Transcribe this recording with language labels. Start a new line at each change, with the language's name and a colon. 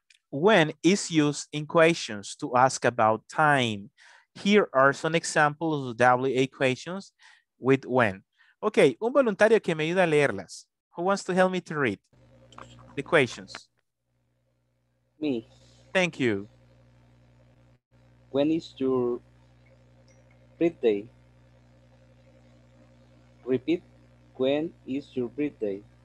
English: When is used in questions to ask about time. Here are some examples of WH questions with when.
Spanish: Okay, un voluntario que me ayuda a leerlas.
English: Who wants to help me to read the questions? Me. Thank you. When is your birthday? Repeat, when is your birthday?